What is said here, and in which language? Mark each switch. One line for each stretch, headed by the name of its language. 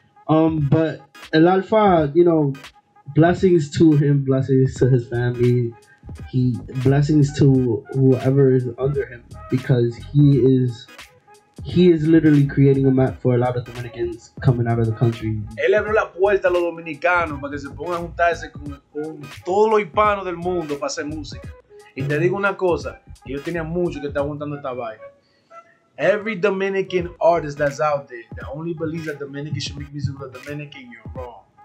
English: But El Alfa, you know, blessings to him, blessings to his family, blessings to whoever is under him, because he is literally creating a map for a lot of Dominicans coming out of the country.
Spanish: Él abrió la puerta a los dominicanos para que se pongan a juntarse con todos los hispanos del mundo para hacer música. Y te digo una cosa, que yo tenía mucho que estaba juntando esta vaina.
English: Every Dominican artist that's out there that only believes that Dominicans should make music with a Dominican, you're wrong.